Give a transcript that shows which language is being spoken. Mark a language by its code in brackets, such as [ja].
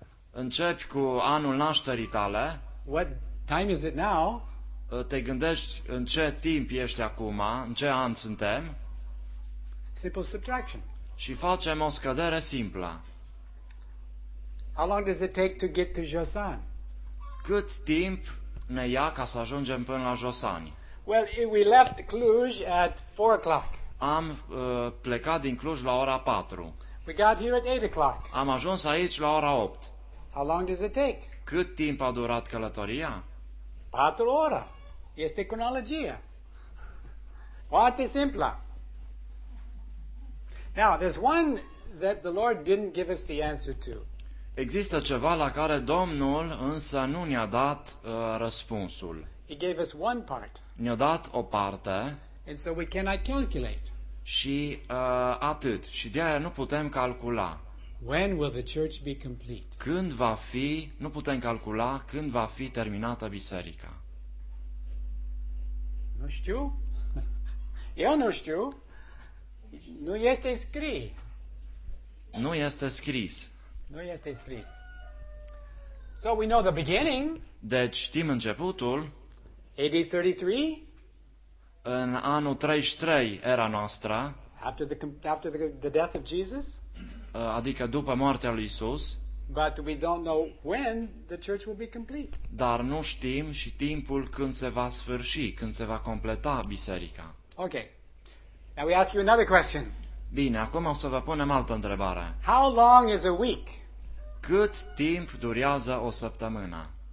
[ro] Începi cu anul nașterii tale. [en] What time is it now? [ro] Te gândești în ce timp ești acum, în ce an suntem? [en] Simple subtraction. [ro] Și facem o scădere simplă. [en] How long does it take to get to Josan? [ro] Cât timp ne ia ca să ajungem până la Josani? [en] Well, we left Cluj at 4 o'clock. [ro] Am plecat din Cluj la ora 4. [en] We got here at 8 o'clock. [ro] Am ajuns aici la ora 8. [en] How long does it take? [ro] Cât timp a durat călătoria? 4 ore. Este cronologia. Foarte simplă. [en] Now, there's one that the Lord didn't give us the answer to. [ro] Există ceva la care Domnul însă nu ne-a dat răspunsul. [en] He gave us one part. [ro] Ne-a dat o parte. [en] And so we cannot calculate. [ro] Și atât. Și de-aia nu putem calcula. [en] When will the church be complete? [ro] Când va fi, nu putem calcula când va fi terminată biserica. Nu știu. Eu nu știu. Nu este scris. Nu este scris. Nu este scris. [en] So we know the beginning. [ro] Deci știm începutul. [en] AD 33. [ro] În anul 33 era noastră. [en] After the death of Jesus. [ro] Adică după moartea lui Isus. [en] But we don't know when the church will be complete. [ro] Dar nu știm și timpul când se va sfârși, când se va completa biserica. [en] Okay. Now we ask you another question. [ro] Bine, acum o să vă punem altă întrebare. [en] How long is a week? [ro] Cât timp durează o săptămână?